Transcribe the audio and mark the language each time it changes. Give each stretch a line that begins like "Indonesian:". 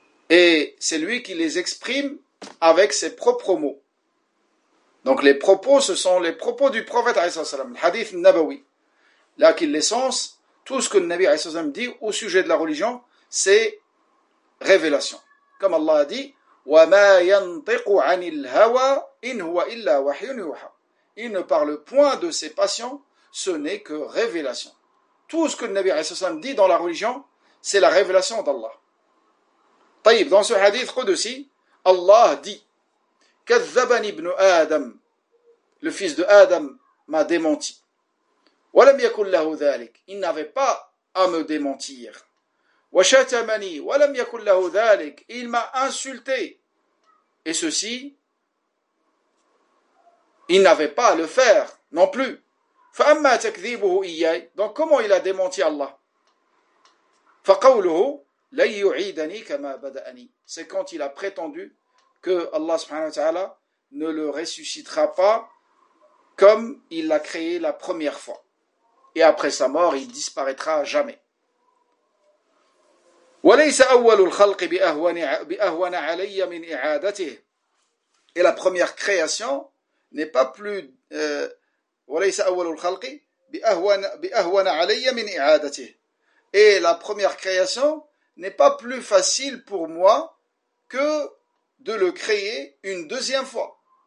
French: Et c'est lui qui les exprime avec ses propres mots. Donc les propos, ce sont les propos du prophète alayhi sallam, le hadith nabawi. Là qu'il les sens, tout ce que le Nabi alayhi sallam dit au sujet de la religion, c'est révélation. Comme Allah a dit,
Arabic: وَمَا يَنْطِقُ عَنِ الْهَوَىٰ إِنْ هُوَ إِلَّا وَحْيٌ يُوحَىٰ.
French: Il ne parle point de ses passions, ce n'est que révélation. Tout ce que le Nabi Al-Sassam dit dans la religion, c'est la révélation d'Allah. Taïb, dans ce hadith Qudusi, Allah dit,
Arabic: كَذَّبَنِ ابْنُ آدَمْ.
French: Le fils de Adam m'a démenti.
Arabic: وَلَمْ يَكُلْ لَهُ ذَلِكْ.
French: Il n'avait pas à me démentir.
Arabic: وَشَتَمَنِي وَلَمْ يَكُلْ لَهُ ذَلِكَ.
French: Il m'a insulté. Et ceci, il n'avait pas à le faire, non plus.
Arabic: فَأَمَّا تَكْذِيبُهُ إِيَّي.
French: Donc comment il a démenti Allah?
Arabic: فَقَوْلُهُ لَيُعِيدَنِي كَمَا بَدَأَنِي.
French: C'est quand il a prétendu que Allah subhanahu wa ta'ala ne le ressuscitera pas comme il l'a créé la première fois. Et après sa mort, il disparaîtra à jamais.
Arabic: وليس أول الخلق بأهون علي من إعادته.
French: Et la première création n'est pas plus
Arabic: وليس أول الخلق بأهون علي من إعادته.
French: Et la première création n'est pas plus facile pour moi que de le créer une deuxième fois.